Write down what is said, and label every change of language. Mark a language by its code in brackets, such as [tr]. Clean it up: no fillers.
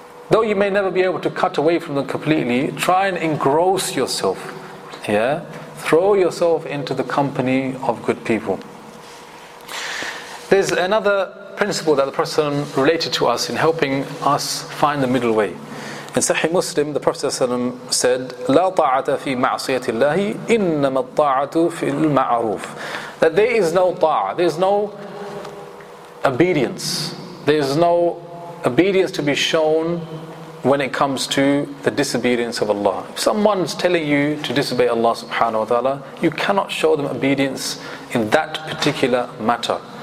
[en] Though you may never be able to cut away from them completely, try and engross yourself. Yeah? Throw yourself into the company of good people. There's another principle that the Prophet ﷺ related to us in helping us find the middle way. In Sahih Muslim, the Prophet ﷺ said, [ar] لَا طَاعَةَ فِي مَعْصِيَةِ اللَّهِ إِنَّمَا الطَّاعَةُ فِي الْمَعْرُوفِ. [en] That there is no ta'a, there is no obedience, there is no obedience to be shown when it comes to the disobedience of Allah. If someone's telling you to disobey Allah subhanahu wa ta'ala, you cannot show them obedience in that particular matter.